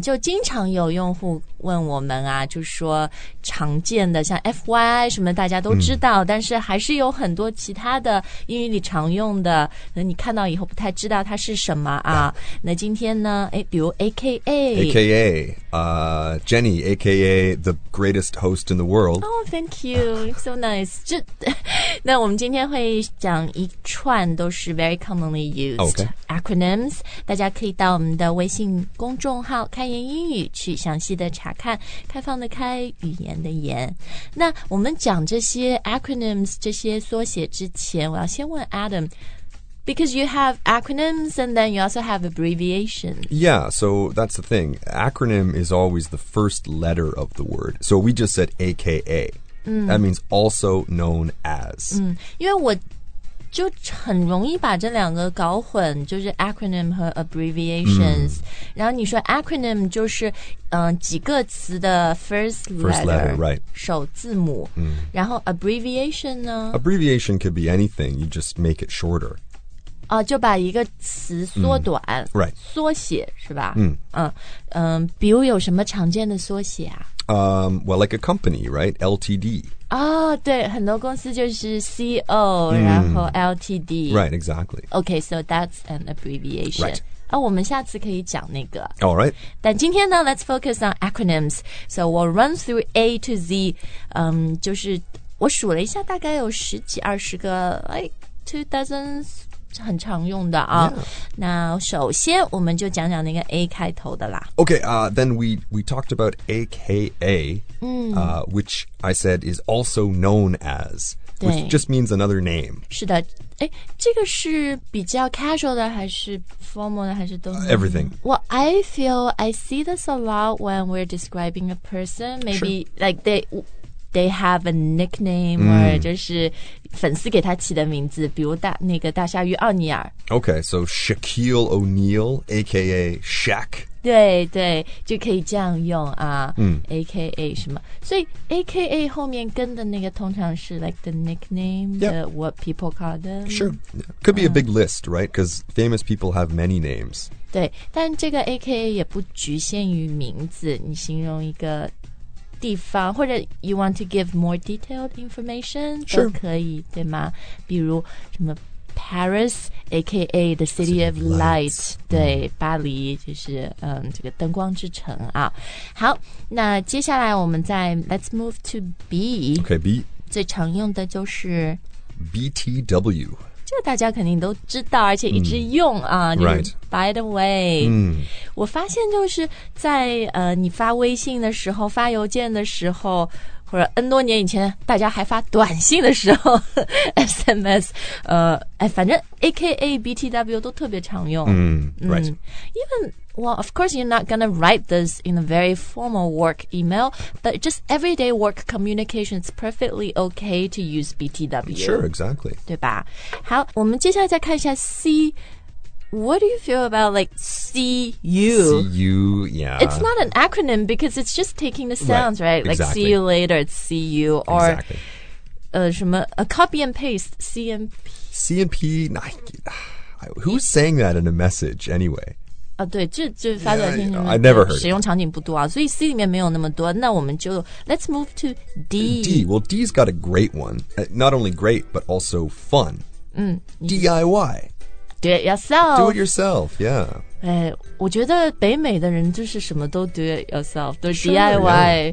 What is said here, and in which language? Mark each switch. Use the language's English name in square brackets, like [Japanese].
[Chinese] 就经常有用户问我们啊，就是说常见的像 FYI 什么大家都知道、嗯、但是还是有很多其他的英语里常用的，那你看到以后不太知道它是什么 那今天呢比如 AKA [English] Jenny AKA the greatest host in the world. Oh, thank you, so nice. [Chinese] 那我们今天会讲一串都是 [English] very commonly used、 okay. [Chinese] acronyms, 大家可以到我们的微信公众号好，开言英语去详细的查看，开放的开，语言的言。那我们讲这些 acronyms 这些缩写之前，我要先问 [English] Adam, because you have acronyms and then you also have abbreviations. Yeah, so that's the thing. Acronym is always the first letter of the word. So we just said AKA.、嗯、 That means also known as.、 [Chinese] 嗯、因为我就很容易把这两个搞混，就是 acronym 和 abbreviations、嗯、然后你说 acronym 就是、几个词的 [English] first letter, right. [Chinese] 首字母、嗯、然后 abbreviation 呢 [English] abbreviation could be anything, you just make it shorter、 [Chinese] 就把一个词缩短、嗯、 [English] right. [Chinese] 缩写是吧嗯、比如有什么常见的缩写啊 [English] well, like a company, right? LTD. [Chinese] Oh, 对，很多公司就是 CO,、mm. 然后 LTD. [English] Right, exactly. Okay, so that's an abbreviation. Right.、 [Chinese] 我们下次可以讲那个。 [English] All right. 但今天呢 let's focus on acronyms. So we'll run through A to Z.、 [Chinese] 就是我数了一下大概有十几二十个 [English] like two dozens [Chinese] 很常用的、 [English] yeah. [Chinese] 那首先我们就讲讲那个 A 开头的啦 [English] Okay, then we talked about AKA、嗯 which I said is also known as which just means another name [Chinese] 是的这个是比较 casual 的还是 formal 的还是都是、 [English] everything Well, I feel I see this a lot when we're describing a person maybe、 sure. like they have a nickname、mm. [Chinese] or 就是粉丝给他起的名字比如那个大鲨鱼奥尼尔 [English] Okay, so Shaquille O'Neal aka Shaq [Chinese] 对对就可以这样用啊、 mm. aka 什么所以 aka 后面跟的那个通常是 [English] like the nickname、 yep. the what people call them Sure, could be a big list, right? Because famous people have many names [Chinese] 对但这个 aka 也不局限于名字你形容一个地方或者 [English] you want to give more detailed information、 sure. [Chinese] 都可以对吗比如什么 [English] Paris aka the city of light、 mm. [Chinese] 对巴黎就是、这个灯光之城啊好那接下来我们再 [English] let's move to B OK B [Chinese] 最常用的就是 [English] BTW [Chinese] 这大家肯定都知道而且一直用啊、mm. 就是 [English] right. by the way、 mm. [Chinese] 我发现就是在、你发微信的时候发邮件的时候或者 N 多年以前大家还发短信的时候SMS、反正 AKA BTW 都特别常用、 [English] mm, right. 嗯、Even, well, of course you're not gonna write this in a very formal work email but just everyday work communication it's perfectly okay to use BTW Sure, exactly [Chinese] 对吧好我们接下来再看一下 [English] CWhat do you feel about, like, CU? CU, yeah. It's not an acronym because it's just taking the sounds, right? Exactly. Like, see you later, it's CU. Or, exactly. 什么 a copy and paste, CMP. CMP, who's saying that in a message anyway? [Chinese] 啊对就发短信 [English] I never heard [Chinese] 使用场景不多啊所以 C 里面没有那么多那我们就 [English] let's move to D. D, well, D's got a great one. Not only great, but also fun. 嗯 DIY. Do it yourself. Do it yourself, yeah. [Chinese] 我觉得北美的人就是什么都 [English] do it yourself, [Chinese] 都 DIY,